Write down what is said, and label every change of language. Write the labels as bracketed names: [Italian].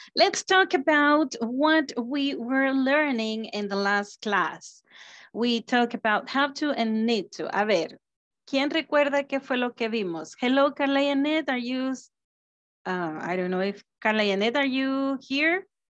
[English] Let's talk about what we were learning in the last class. We talk about have to and need to. [Spanish] A ver, ¿quién recuerda qué fue lo que vimos? [English] Hello, Carla Yanet, are you, I don't know if Carla Yanet, are you here?